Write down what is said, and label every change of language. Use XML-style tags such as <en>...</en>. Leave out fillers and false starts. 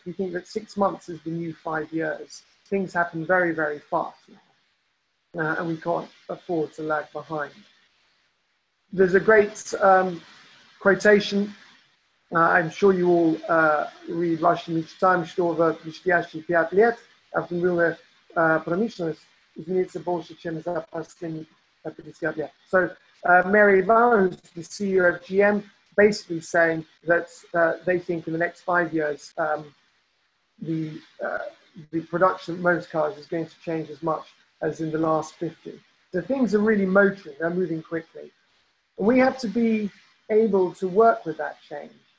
<en>We think that 6 months is the new 5 years. Things happen very, very fast now, and we can't afford to lag behind. There's a great quotation. I'm sure you all read Russian each time.</en> <ru>Что за предстоящие 5 лет автомобильная промышленность изменится больше, чем за последние 50 лет.</ru> <en>So Mary Barra, who's the CEO of GM, basically saying that they think in the next 5 years the production of most cars is going to change as much as in the last 50. So things are really motoring. They're moving quickly. And we have to be able to work with that change.</en>